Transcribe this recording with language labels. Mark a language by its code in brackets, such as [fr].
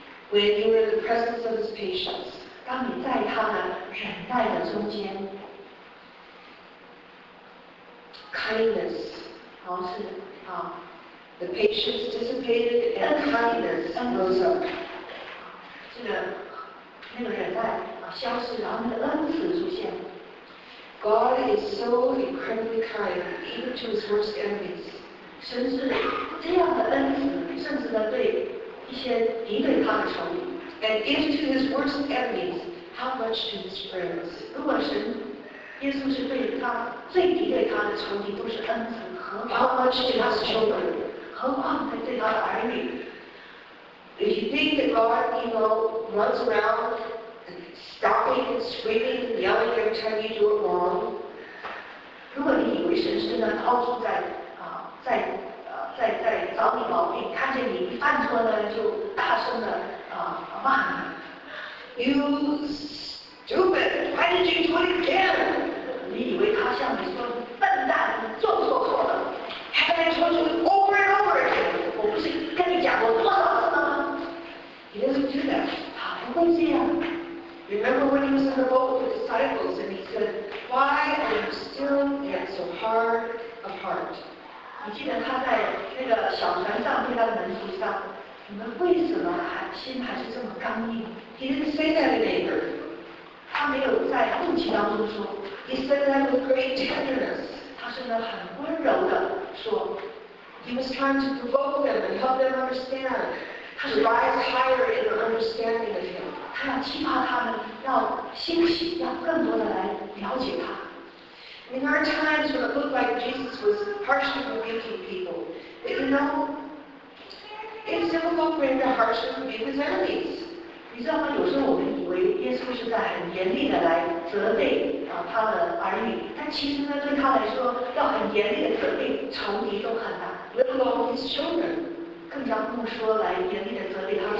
[en] When you are in the presence of his patience. [zh] 当你在他的忍耐的中间。 [en] Kindness. [zh] 好是啊。 [en] The patience dissipated and kindness rose up. [zh] 这个那个忍耐啊消失，然后那个恩慈出现。 [en] God is so incredibly kind, even to his worst enemies. [zh] 神是这样的恩慈，甚至呢对一些敌对他的仇敌。 [en] And even to his worst enemies, how much to his friends? [zh] 如果神，耶稣是对他最敌对他的仇敌都是恩慈，何况 [en] how much to his children? [zh] 何况对他的儿女。 [en] If you think that God, you know, runs around stopping and screaming and yelling every time you do it wrong, [zh] 如果你以为神是呢，到处在啊，在找你毛病，看见你一犯错呢，就大声的啊骂你。 [en] You stupid! Why did you do it again? [zh] 你以为他像你说笨蛋，你做错错了？还在说出 [en] over and over again. [zh] 我不是跟你讲过多少次吗？ [en] He doesn't do that. [zh] 他不会这样。 [en] Remember when he was in the boat with the disciples and he said, Why are you still yet so hard of heart? [zh] 你记得他在那个小船上对他的门徒说，你们为什么还心还是这么刚硬？ [en] He didn't say that in anger. [zh] 他没有在怒气当中说。 [en] He said that with great tenderness. [zh] 他是呢很温柔的说。 [en] He was trying to provoke them and help them understand. [zh] 他 [en] rise higher in the understanding of him. [zh] 他要激发他们，要兴起，要更多的来了解他。 [en] In our times when it looked like Jesus was harshly rebuking people, but you know, it's difficult for him to harshly rebuke his enemies. [zh] 你知道吗？有时候我们以为耶稣是在很严厉的来责备啊他的儿女，但其实呢，对他来说，要很严厉的责备仇敌都很难。 [en] Let alone his children. [zh] 更加不说来严厉的责备他们。